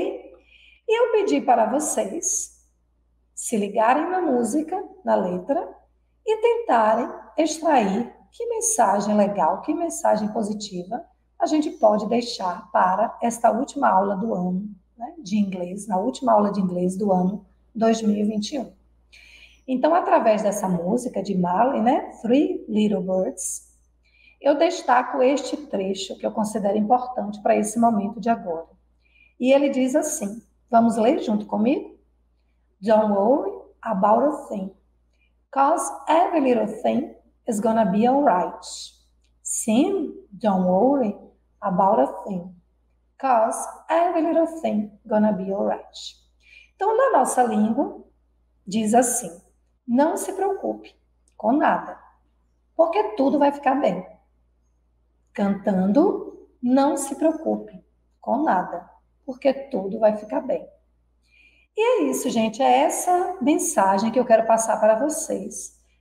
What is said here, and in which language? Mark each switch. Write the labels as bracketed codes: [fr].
[pt] E eu pedi para vocês se ligarem na música, na letra, e tentarem extrair que mensagem legal, que mensagem positiva a gente pode deixar para esta última aula do ano, né, de inglês, na última aula de inglês do ano 2021. Então, através dessa música de Marley, né, Three Little Birds, eu destaco este trecho que eu considero importante para esse momento de agora. E ele diz assim, vamos ler junto comigo? [en] Don't worry about a thing, 'cause every little thing is gonna be alright. Sim, don't worry about a thing, 'cause every little thing gonna be alright. [pt] Então, na nossa língua, diz assim, não se preocupe com nada, porque tudo vai ficar bem. Cantando, não se preocupe com nada, porque tudo vai ficar bem. E é isso, gente, é essa mensagem que eu quero passar para vocês.